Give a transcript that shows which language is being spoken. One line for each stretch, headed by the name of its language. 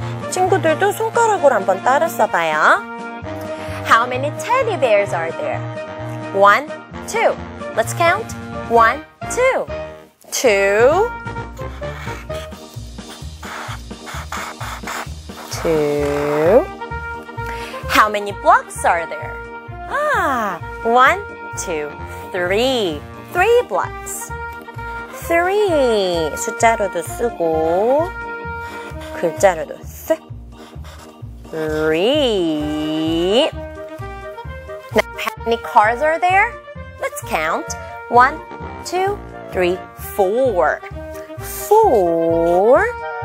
Korean: 친구들도 손가락으로 한번 따라 써봐요.
English: How many teddy bears are there? One, two. Let's count. One, two. Two. Two. How many blocks are there? 1, 2, 3. 3 blocks. 3.
Korean: 숫자로도 쓰고, 글자로도 쓰.
English: 3. Now, how many cars are there? Let's count. 1, 2, 3, 4. 4.